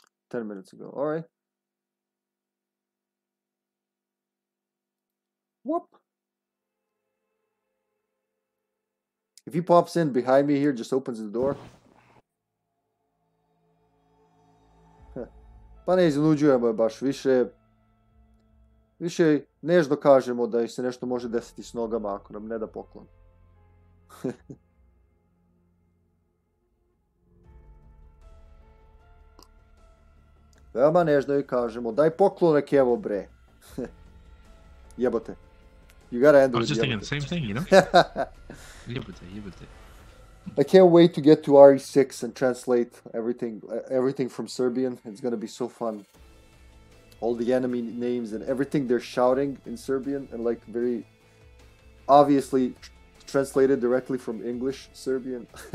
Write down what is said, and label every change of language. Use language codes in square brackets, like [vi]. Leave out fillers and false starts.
[en] 10 minutes ago. All right. Whoop. If he pops in behind me here, just opens the door. [sr] Pa ne iznuđujemo je baš više. Više nežno kažemo da se nešto može desiti s nogama ako nam ne da poklon. Veoma nežno i kažemo, daj poklon neki evo bre. [en] Jebote. You gotta end with jebote. I was just thinking the same thing, you know? [sr] Jebote. [en] I can't wait to get to RE6 and translate everything from Serbian. It's gonna be so fun. All the enemy names and everything they're shouting in Serbian and like very obviously translated directly from English, Serbian.